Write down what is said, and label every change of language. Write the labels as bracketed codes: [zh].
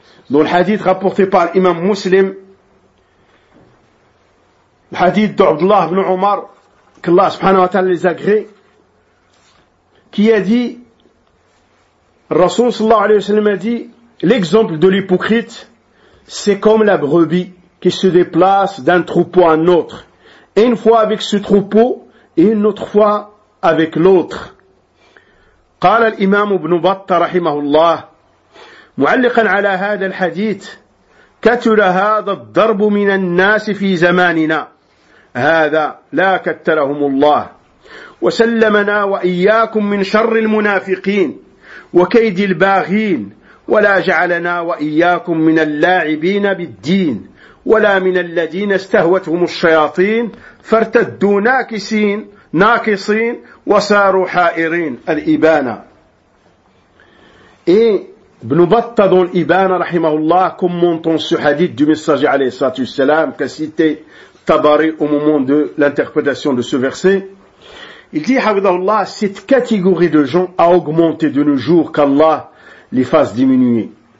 [fr] Dans le hadith rapporté par l'imam Muslim, le hadith d'Abdullah ibn Omar, qu'Allah subhanahu wa ta'ala les agrée, qui a dit, Rasul sallallahu alayhi wa sallam a dit, l'exemple de l'hypocrite, c'est comme la brebis qui se déplace d'un troupeau à un autre, une fois avec ce troupeau et une autre fois avec l'autre. [ar] قال الإمام ابن بطة رحمه الله معلقا على هذا الحديث: كثر هذا الضرب من الناس في زماننا هذا، لا كترهم الله، وسلمنا وإياكم من شر المنافقين وكيد الباغين، ولا جعلنا وإياكم من اللاعبين بالدين ولا من الذين استهوتهم الشياطين فارتدوا ناكصين وساروا حائرين الإبانة. [fr] Et Ibn Battah dans l'Ibana, rahimahullah, commentant ce hadith du messager alayhi salatu wassalam, qu'a cité Tabari au moment de l'interprétation de ce verset, il dit, hafidhahullah, cette catégorie de gens a augmenté de nos jours qu'Allah les fasse diminuer.